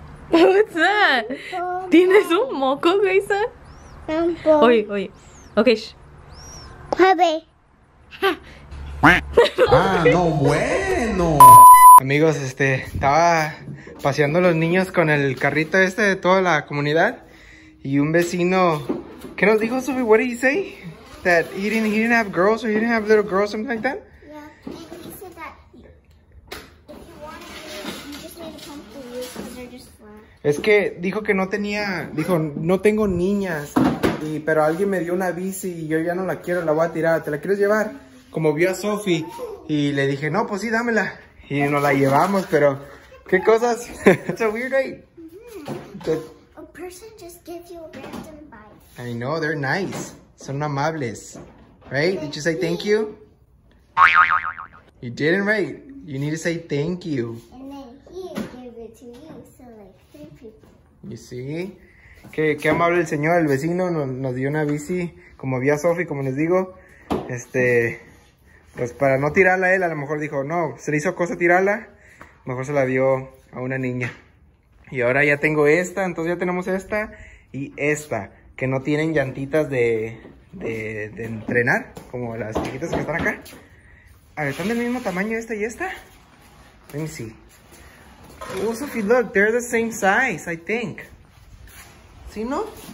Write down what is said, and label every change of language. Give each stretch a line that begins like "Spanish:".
English: What's that?
Spanish: ¿Tienes un moco, Grayson? Oye. Ok. Bebé. Ah, no, bueno. Amigos, estaba paseando los niños con el carrito este de toda la comunidad y un vecino, ¿qué nos dijo, Sophie?
English: What did he say? That he didn't have girls or he didn't have little girls, something like that? Yeah, and he said that if you want to, you just need to come to you because they're just
Spanish: flat. Es que dijo que no tenía, dijo, no tengo niñas, y, pero alguien me dio una bici y yo ya no la quiero, la voy a tirar, ¿te la quieres llevar? Como vio a Sophie y le dije, no, pues sí, dámela. Y nos la llevamos, pero ¿qué cosas?
English: It's a weird day. Mm-hmm. A person just gives you a random bite. I know, they're nice.
Spanish: Son amables.
English: Right? Did you say thank you? You didn't, right? You need to say thank you. And then he gave it to me, so like three people. You see?
Spanish: Qué amable el señor, el vecino, nos dio una bici, como vi a Sophie, como les digo. Pues para no tirarla él, a lo mejor dijo, no, se le hizo cosa tirarla, mejor se la dio a una niña. Y ahora ya tengo esta, entonces ya tenemos esta y esta, que no tienen llantitas de entrenar, como las chiquitas que están acá. A ver, ¿están del mismo tamaño esta y esta?
English: Let me see. Oh, Sophie, look, they're the same size, I think.
Spanish: ¿Sí, no?